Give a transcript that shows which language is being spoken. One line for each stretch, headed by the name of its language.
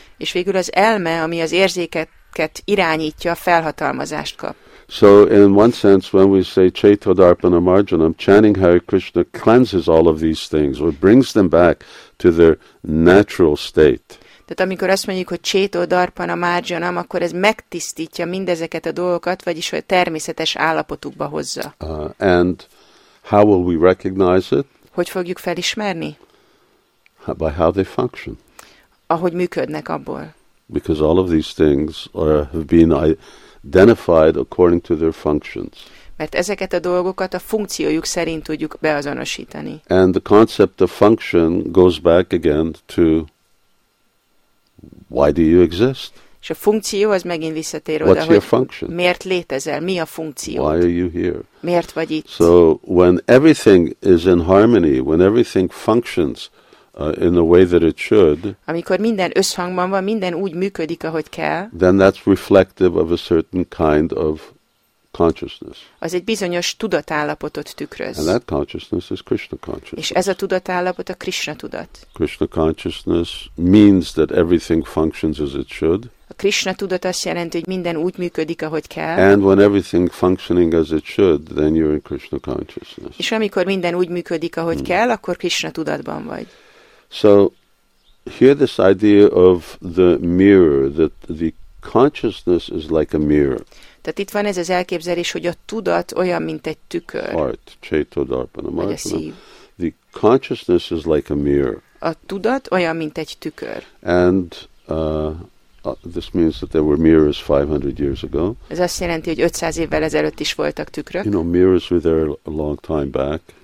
Hungarian: És végül az elme, ami az érzékeket irányítja, felhatalmazást kap.
English: So in one sense, when we say Chaito Darpana Marjanam, chanting Hare Krishna cleanses all of these things, or brings them back to their natural state.
Hungarian: Tehát amikor azt mondjuk, hogy Chaito Darpana Marjanam, akkor ez megtisztítja mindezeket a dolgokat, vagyis hogy természetes állapotukba hozza.
English: And how will we recognize it?
Hungarian: Hogy fogjuk felismerni?
English: By how they function.
Hungarian: Ahogy működnek abból.
English: Because all of these things have been identified according to their functions.
Hungarian: Mert ezeket a dolgokat a funkciójuk szerint tudjuk beazonosítani.
English: And the concept of function goes back again to why do you exist?
Hungarian: És a funkció az megint visszatér oda,
English: what's
Hungarian: hogy
English: your function?
Hungarian: Miért létezel, mi a funkció?
English: Why are you here?
Hungarian: Miért vagy itt?
English: So when everything is in harmony, when everything functions in the way that it should,
Hungarian: amikor minden összhangban van, minden úgy működik, ahogy kell,
English: then that's reflective of a certain kind of consciousness.
Hungarian: Az egy bizonyos tudatállapotot tükröz.
English: And that consciousness is Krishna consciousness.
Hungarian: És ez a tudatállapot a Krishna tudat.
English: Krishna consciousness means that everything functions as it should.
Hungarian: A Krishna tudat azt jelenti, hogy minden úgy működik, ahogy kell.
English: And when everything functioning as it should, then you're in Krishna consciousness.
Hungarian: És amikor minden úgy működik, ahogy kell, akkor Krishna tudatban vagy.
English: So, here this idea of the mirror, that the consciousness is like a mirror.
Hungarian: Tehát itt van ez az elképzelés, hogy a tudat olyan, mint egy tükör.
English: Heart, chaitodarpana,
Hungarian: vagy a szív.
English: The consciousness is like a mirror.
Hungarian: A tudat olyan, mint egy tükör.
English: And this means that there were mirrors 500 years ago.
Hungarian: Ez azt jelenti, hogy 500 évvel ezelőtt is voltak tükrök.
English: You know, mirrors were there a long time back.